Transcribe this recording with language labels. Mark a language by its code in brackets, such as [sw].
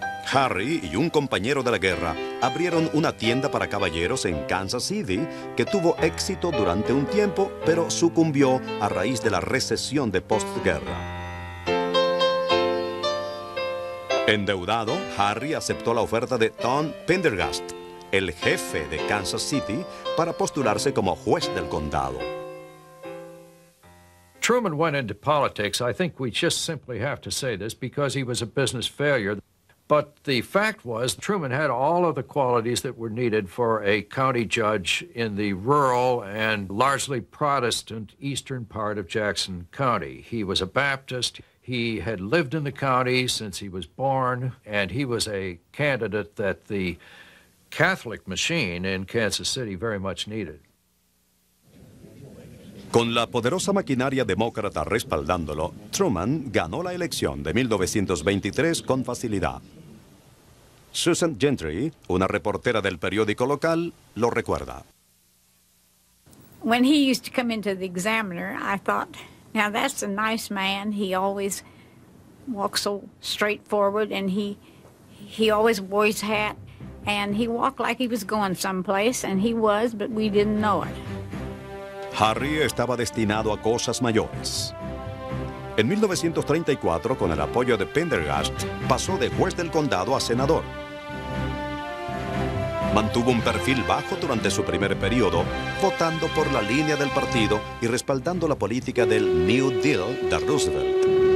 [es] Harry y un compañero de la guerra abrieron una tienda para caballeros en Kansas City que tuvo éxito durante un tiempo, pero sucumbió a raíz de la recesión de postguerra. Endeudado, Harry aceptó la oferta de Tom Pendergast, el jefe de Kansas City, para postularse como juez del condado. [en] Truman went into politics. I think we just simply have to say this because he was a business failure. But the fact was, Truman had all of the qualities that were needed for a county judge in the rural and largely Protestant eastern part of Jackson County. He was a Baptist, he had lived in the county since he was born, and he was a candidate that the Catholic machine in Kansas City very much needed. [es] Con la poderosa maquinaria demócrata respaldándolo, Truman ganó la elección de 1923 con facilidad. Susan Gentry, una reportera del periódico local, lo recuerda. [en] When he used to come into the Examiner, I thought, now that's a nice man. He always walks so straightforward, and he always wore his hat. And he walked like he was going someplace, and he was, but we didn't know it. [es] Harry estaba destinado a cosas mayores. En 1934, con el apoyo de Pendergast, pasó de juez del condado a senador. Mantuvo un perfil bajo durante su primer periodo, votando por la línea del partido y respaldando la política del New Deal de Roosevelt.